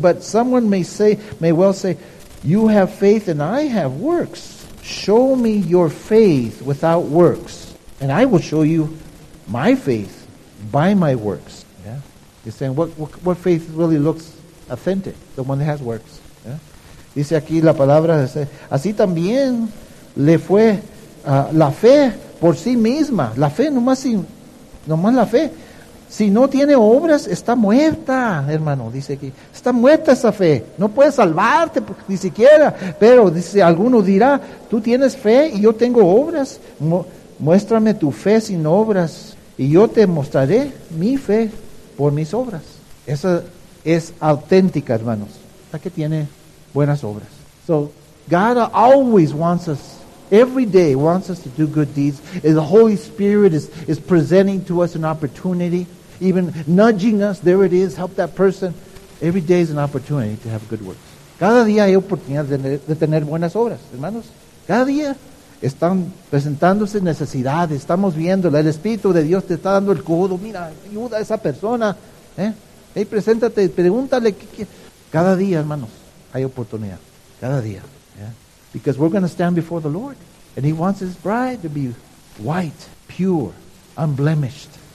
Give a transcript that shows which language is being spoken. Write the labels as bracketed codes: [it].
[en] But someone may well say, you have faith and I have works. Show me your faith without works, and I will show you my faith by my works. Yeah. He's saying what faith really looks authentic, the one that has works. Yeah. [es] Dice aquí la palabra, dice, así también le fue la fe por sí misma. La fe, nomás la fe. Si no tiene obras, está muerta, hermano, dice aquí. Está muerta esa fe. No puede salvarte ni siquiera. Pero, dice, alguno dirá, tú tienes fe y yo tengo obras. Muéstrame tu fe sin obras y yo te mostraré mi fe por mis obras. Esa es auténtica, hermanos. La que tiene buenas obras. [en] So, God always wants us. Every day wants us to do good deeds. And the Holy Spirit is presenting to us an opportunity, even nudging us. There it is. Help that person. Every day is an opportunity to have good works. [es] Cada día hay oportunidad de tener buenas obras, hermanos. Cada día están presentándose necesidades, estamos viéndola, el Espíritu de Dios te está dando el codo, mira, ayuda a esa persona, hey, preséntate, pregúntale. Cada día, hermanos, hay oportunidad, cada día. Yeah? [en] Because we're going to stand before the Lord, and He wants His bride to be white, pure, unblemished.